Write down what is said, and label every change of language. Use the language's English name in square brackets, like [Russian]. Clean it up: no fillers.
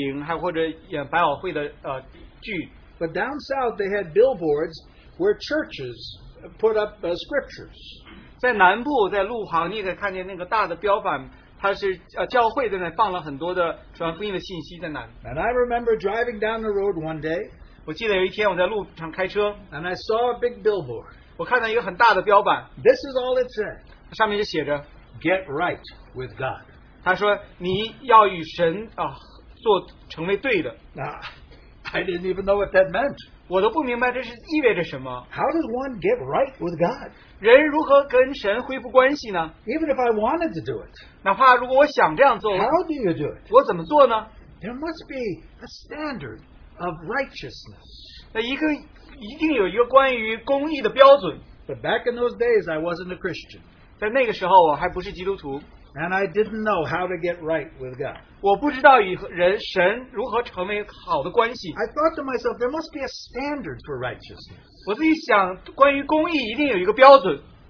[Chinese] 你知道你到纽约城里面时候经常在路旁看见有新的电影或者百老汇的剧。 [English] But down south, they had billboards where churches put up scriptures. [Chinese] 在南部在路旁你可以看见那个大的标板, 它是教会在那放了很多的传福音的信息在那里。 [English] And I remember driving down the road one day, [Chinese] 我记得有一天我在路上开车, [English] and I saw a big billboard. [Chinese] 我看到一个很大的标板, [English] this is all it said. [Chinese] 上面就写着, [English] Get right with God. [Chinese] 他说你要与神做成为对的。 [English] I didn't even know what that meant. [Chinese] 我都不明白这是意味着什么。 [English] How does one get right with God? [Chinese] 人如何跟神恢复关系呢? [English] Even if I wanted to do it. [Chinese] 哪怕如果我想这样做, [English] How do you do it? [Chinese] 我怎么做呢? [English] There must be a standard of righteousness. [Chinese] 一定有一个关于公义的标准。 [English] But back in those days, I wasn't a Christian. [Chinese] 在那个时候我还不是基督徒。 [English] And I didn't know how to get right with God. [Chinese] 我不知道与神如何成为好的关系。 [English] I thought to myself, there must be a standard for righteousness. [Chinese] 我自己想,关于公义一定有一个标准。